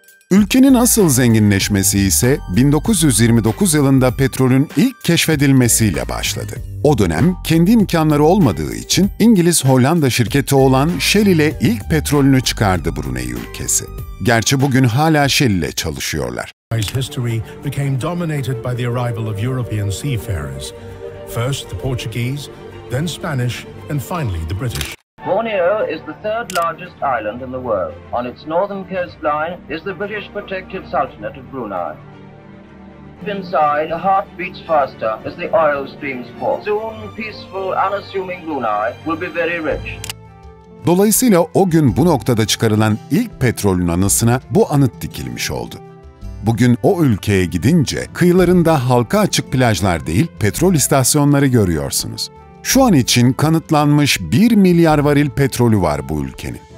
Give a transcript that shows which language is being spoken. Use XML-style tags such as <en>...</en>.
<tr>Ülkenin asıl zenginleşmesi ise 1929 yılında petrolün ilk keşfedilmesiyle başladı. O dönem kendi imkanları olmadığı için İngiliz-Hollanda şirketi olan Shell ile ilk petrolünü çıkardı Brunei ülkesi. Gerçi bugün hala Shell ile çalışıyorlar.</tr> <en>History became dominated by the arrival of European seafarers. First the Portuguese, then Spanish, and finally the British. Borneo is the third largest island in the world. On its northern coastline is the British protected sultanate of Brunei. Deep inside, the heart beats faster as the oil streams pour. Soon, peaceful, unassuming Brunei will be very rich.</en> <tr>Dolayısıyla o gün bu noktada çıkarılan ilk petrolün anısına bu anıt dikilmiş oldu. Bugün o ülkeye gidince kıyılarında halka açık plajlar değil, petrol istasyonları görüyorsunuz. Şu an için kanıtlanmış 1 milyar varil petrolü var bu ülkenin.</tr>